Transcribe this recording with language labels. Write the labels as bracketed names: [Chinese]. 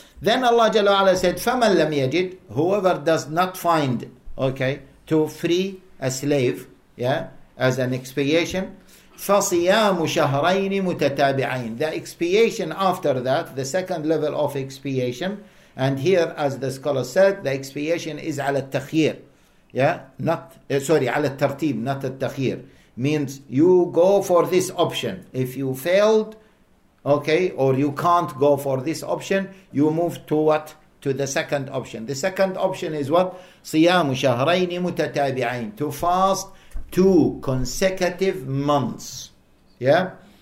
[English] Then Allah Jalla wa'ala said, [Arabic] فَمَنْ لَمْ يَجِدْ. [English] Whoever does not find, okay, to free a slave, yeah, as an expiation, [Arabic] فَصِيَامُ شَهْرَيْنِ مُتَتَابِعَيْنِ. [English] The expiation after that, the second level of expiation, and here, as the scholar said, the expiation is [Arabic] عَلَى التَّخْيِيرِ. [English] Yeah, [Arabic] عَلَى التَّرْتِيبِ, [English] not التَّخْيِيرِ. Means you go for this option. If you failed, okay, or you can't go for this option, you move to what? To the second option. The second option is what? [Arabic] صِيَامُ شَهْرَيْنِ مُتَتَابِعَيْنِ. [English] To fast 2 consecutive months. Yeah?